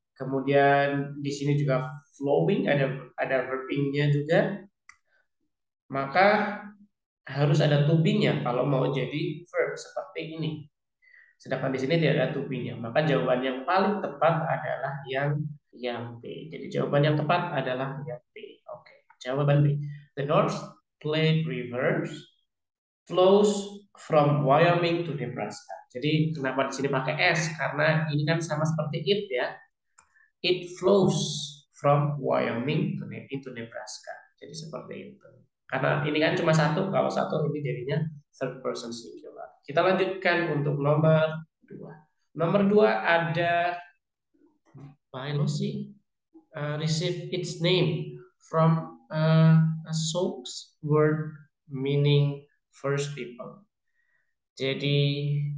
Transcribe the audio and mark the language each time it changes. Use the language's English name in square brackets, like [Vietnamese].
[Indonesian] Kemudian di sini juga flowing, ada verbing-nya juga. Maka harus ada to be-nya kalau mau jadi verb seperti ini. Sedangkan di sini tidak ada to be-nya, maka jawaban yang paling tepat adalah yang B. Jadi jawaban yang tepat adalah yang B. Oke, jawaban B. [English] The North Platte River flows from Wyoming to Nebraska. [Indonesian] Jadi kenapa di sini pakai S? Karena ini kan sama seperti it ya. [English] It flows from Wyoming to Nebraska. [Indonesian] Jadi seperti itu. Karena ini kan cuma satu, kalau satu ini jadinya third person singular. Kita lanjutkan untuk nomor dua. Nomor dua ada [English] biology receive its name from a Sioux word meaning first people. [Indonesian] Jadi